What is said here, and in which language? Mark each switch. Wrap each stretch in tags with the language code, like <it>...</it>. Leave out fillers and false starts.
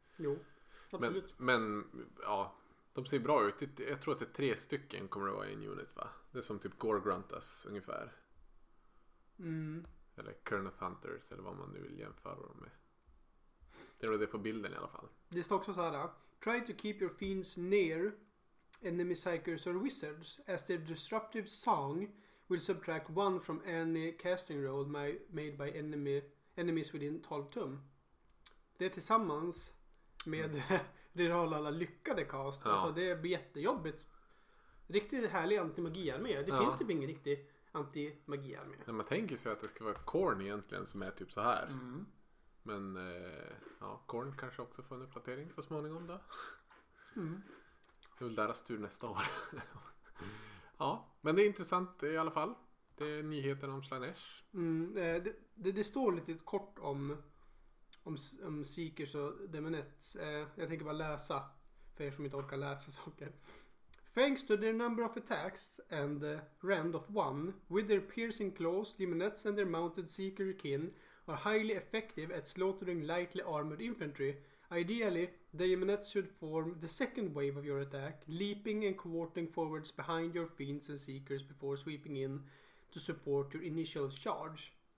<sv>Jo, absolut. Men ja, de ser bra ut. Jag tror att det är 3 stycken kommer det vara i en unit, va? Det är som typ Gore Gruntas ungefär. Eller Kurnath Hunters eller vad man nu vill jämföra dem med. Det är det på bilden i alla fall. Det står också så här:</sv> <en>try to keep your fiends near enemy psychers or wizards as their disruptive song will subtract 1 from any casting roll made by enemies within 12 tum.</en> <sv>Det är tillsammans med rerolla alla lyckade cast. Ja. Alltså det är jättejobbigt. Riktigt härlig antimagi armé. Det finns typ ingen riktig anti-magi armé. Men man tänker sig att det ska vara Korn egentligen som är typ så här. Men ja, Korn kanske också får en uppdatering så småningom då. Det är väl deras tur nästa år. Ja, men det är intressant i alla fall. Det är nyheten om Slaanesh. Det står lite kort om Seekers och Demonets. Jag tänker bara läsa för er som inte orkar läsa saker.</sv> <en>Thanks to their number of attacks and rend of 1, with their piercing claws, Demonets and their mounted Seeker kin are highly effective at slaughtering lightly armored infantry. Ideally, the Demonets should form the second wave of your attack, leaping and cavorting forwards behind your fiends and Seekers before sweeping in to support your initial charge.</en>